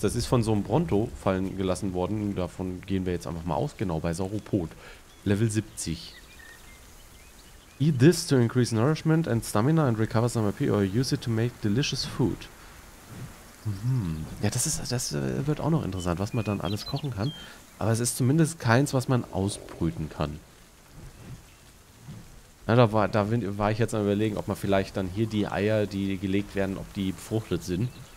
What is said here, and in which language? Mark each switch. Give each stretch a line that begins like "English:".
German: Das ist von so einem Bronto fallen gelassen worden. Davon gehen wir jetzt einfach mal aus, genau, bei Sauropod. Level 70.
English: Eat this to increase nourishment and stamina and recover some AP or use it to make delicious food. Mhm.
German: Ja, das wird auch noch interessant, was man dann alles kochen kann. Aber es ist zumindest keins, was man ausbrüten kann. Ja, da war ich jetzt am überlegen, ob man vielleicht dann hier die Eier, die gelegt werden, ob die befruchtet sind.